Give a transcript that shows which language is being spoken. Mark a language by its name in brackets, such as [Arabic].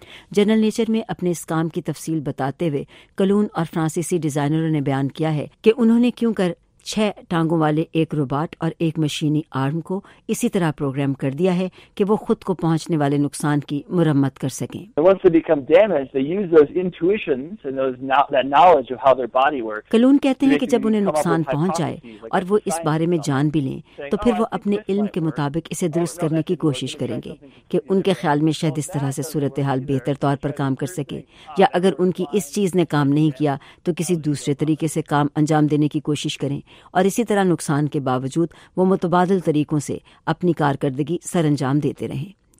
[Urdu] General nature میں اپنے اس کام کی تفصیل بتاتے ہوئے کلون اور فرانسیسی ڈیزائنروں نے بیان کیا ہے کہ انہوں نے کیوں کر 6 ٹانگوں والے ایک روبوٹ اور ایک مشینی آرم کو اسی طرح پروگرام کر دیا ہے کہ وہ خود کو پہنچنے والے نقصان کی مرمت کر سکیں. [English] Once they become damaged, they use those intuitions and that knowledge of how their body works. [Urdu] کلون کہتے ہیں کہ جب انہیں نقصان پہنچ جائے اور وہ اس بارے میں جان بھی لیں, تو پھر وہ اپنے علم کے مطابق اسے درست کرنے کی کوشش کریں گے کہ ان کے خیال میں شاید اس طرح سے صورتحال بہتر طور پر کام کر سکے, یا اگر ان کی اس چیز نے کام نہیں کیا تو کسی دوسرے طریقے سے کام انجام دینے کی کوشش کریں, اور اسی طرح نقصان کے باوجود وہ متبادل طریقوں سے اپنی کارکردگی سر انجام دیتے رہیں.